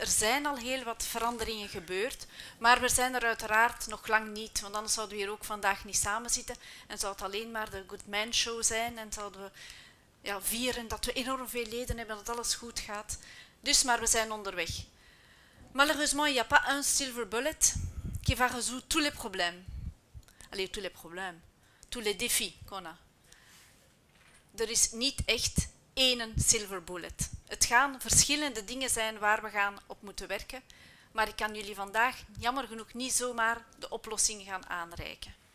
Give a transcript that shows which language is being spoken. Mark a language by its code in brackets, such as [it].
[nl] Er zijn al heel wat veranderingen gebeurd. Maar we zijn er uiteraard nog lang niet, want anders zouden we hier ook vandaag niet samen zitten. En zou het alleen maar de Good Man Show zijn en zouden we vieren dat we enorm veel leden hebben, dat alles goed gaat. Dus, maar we zijn onderweg. [fr] Malheureusement, il n'y a pas un silver bullet qui va résoudre tous les problèmes. Allez, tous les problèmes. Tous les défis qu'on a. [nl] Er is niet echt één silver bullet. Het gaan verschillende dingen zijn waar we gaan op moeten werken. Maar ik kan jullie vandaag jammer genoeg niet zomaar de oplossing gaan aanreiken.